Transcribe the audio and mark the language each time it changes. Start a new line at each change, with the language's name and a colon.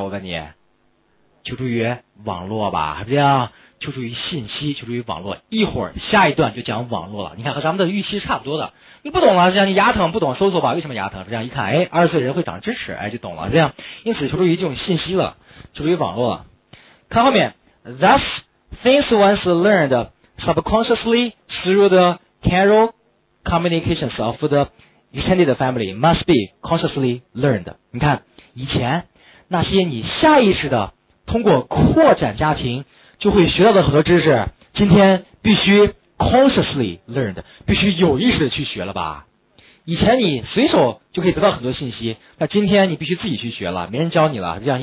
Chinese: 我问你，求助于网络吧，这样。求助于信息，求助于网络。一会儿下一段就讲网络了，你看和咱们的预期是差不多的。你不懂了，这样。你牙疼不懂，搜索吧，为什么牙疼，这样。一看，哎，二十岁人会长智齿，哎，就懂了，这样。因此求助于这种信息了，求助于网络了。看后面
English: thusThings once learned subconsciously through the carol communications of the extended family must be consciously learned.
Chinese: 你看，以前那些你下意识的通过扩展家庭就会学到的很多知识，今天必须
English: consciously learned，
Chinese: 必须有意识的去学了吧。以前你随手就可以得到很多信息，那今天你必须自己去学了，没人教你了，这样。